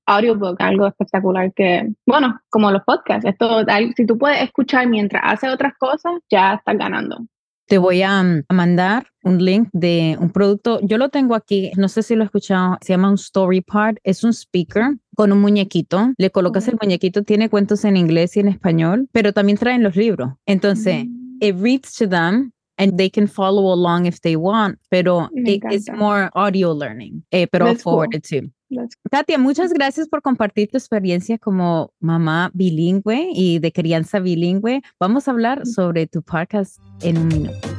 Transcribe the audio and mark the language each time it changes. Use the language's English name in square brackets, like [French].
[Spanish] Audible, algo espectacular que, bueno, como los podcasts, esto, si tú puedes escuchar mientras haces otras cosas, ya estás ganando. Te voy a mandar un link de un producto. Yo lo tengo aquí. No sé si lo has escuchado. Se llama un Story Pod. Es un speaker con un muñequito. Le colocas, uh-huh, el muñequito. Tiene cuentos en inglés y en español, pero también traen los libros. [English] Entonces, uh-huh, it reads to them and they can follow along if they want, pero it's more audio learning, pero that's forwarded cool to. [Spanish] Katia, muchas gracias por compartir tu experiencia como mamá bilingüe y de crianza bilingüe. Vamos a hablar sobre tu podcast en un minuto.